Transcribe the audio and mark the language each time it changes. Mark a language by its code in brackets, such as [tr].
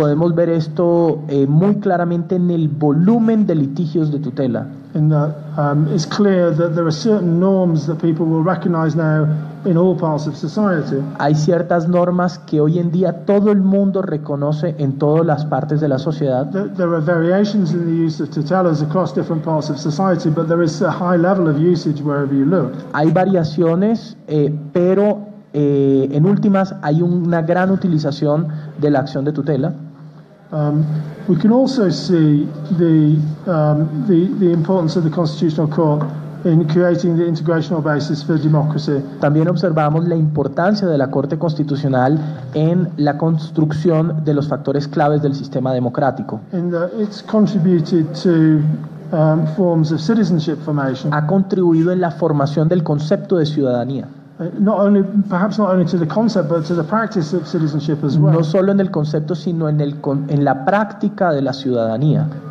[es] Podemos ver esto muy claramente en el volumen de litigios de tutela. [en] In the, it's clear that there are certain norms that people will recognize now in all parts of society. [es] Hay ciertas normas que hoy en día todo el mundo reconoce en todas las partes de la sociedad. [en] There are variations in the use of tutelas across different parts of society, but there is a high level of usage wherever you look. [es] Hay variaciones, pero en últimas hay una gran utilización de la acción de tutela. [en] We can also see the importance of the Constitutional Court in creating the integrational basis for democracy. [es] También observamos la importancia de la Corte Constitucional en la construcción de los factores claves del sistema democrático. [en] It's contributed to forms of citizenship formation. [es] Ha contribuido en la formación del concepto de ciudadanía. [en] Not only to the concept, but to the practice of citizenship as well. [es] No solo en el concepto, sino en la práctica de la ciudadanía.